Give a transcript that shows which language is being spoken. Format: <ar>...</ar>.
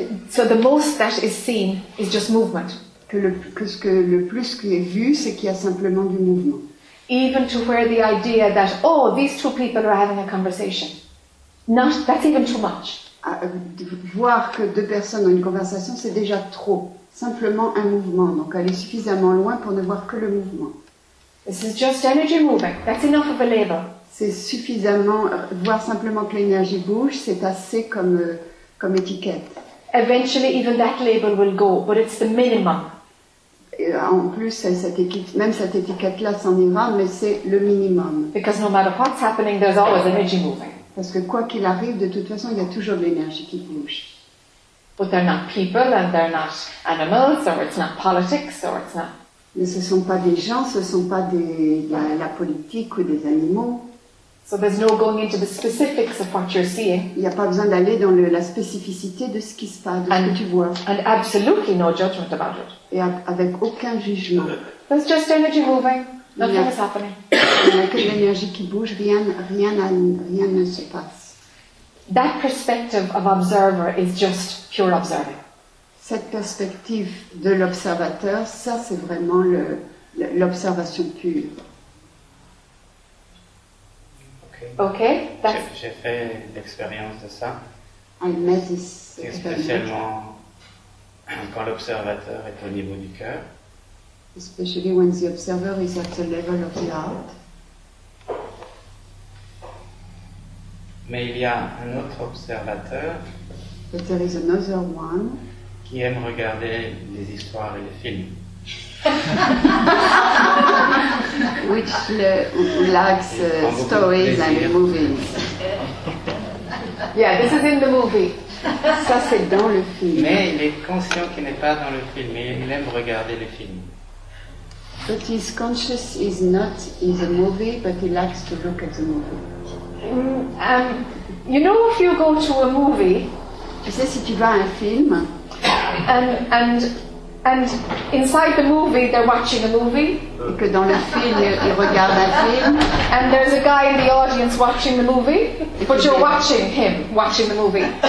<en>So the most that is seen is just movement.</en> <fr>Que le plus qui est vu, c'est qu'il y a simplement du mouvement.</fr> <en>Even to where the idea that oh, these two people are having a conversation, not that's even too much.</en> <fr>Voir que deux personnes ont une conversation, c'est déjà trop. Simplement un mouvement, donc aller suffisamment loin pour ne voir que le mouvement.</fr> <en>This is just energy moving. That's enough of a label.</en> <fr>C'est suffisamment, voir simplement que l'énergie bouge, c'est assez comme étiquette.</fr> <en>Eventually, even that label will go, but it's the minimum.</en> <fr>Et en plus, cette étiquette-là s'en ira, mais c'est le minimum.</fr> <en>Because no matter what's happening, there's always energy moving.</en> <fr>Parce que quoi qu'il arrive, de toute façon, il y a toujours de l'énergie qui bouge.</fr> <en>But they're not people, and they're not animals, or it's not politics, or it's not...</en> <fr>Mais ce ne sont pas des gens, ce ne sont pas la politique ou des animaux.</fr> <en>So there's no going into the specifics of what you're seeing.</en> <fr>Il n'y a pas besoin d'aller dans la spécificité de ce qui se passe, de ce que tu vois.</fr> <en>And absolutely no judgment about it.</en> <fr>Et avec aucun jugement.</fr> <en>There's just energy moving. Nothing is happening.</en> <fr>Il n'y a que l'énergie qui bouge, rien ne se passe.</fr> <en>That perspective of observer is just pure observing.</en> <fr>Cette perspective de l'observateur, ça c'est vraiment l'observation pure.</fr> <en>Okay, that's...</en> <fr>J'ai fait l'expérience de ça.</fr> <en>I met this.</en> <fr>Et spécialement quand l'observateur est au niveau du cœur.</fr> <en>Especially when the observer is at the level of the heart.</en> <fr>Mais il y a un autre observateur.</fr> <en>But there is another one.</en> <fr>Qui aime regarder les histoires et les films.</fr> <en>Which likes stories and movies. Yeah, this is in the movie.</en> <fr>Ça, c'est dans le film. Mais il est conscient qu'il n'est pas dans le film, et il aime regarder le film.</fr> <en>But he's conscious he's not in the movie, but he likes to look at the movie. You know, if you go to a movie,</en> <fr>tu sais, si tu vas à un film,</fr> <en>and inside the movie they're watching a movie,</en> <fr>que dans le film ils regardent un film,</fr> <en>and there's a guy in the audience watching the movie, but you're watching him watching the movie.</en>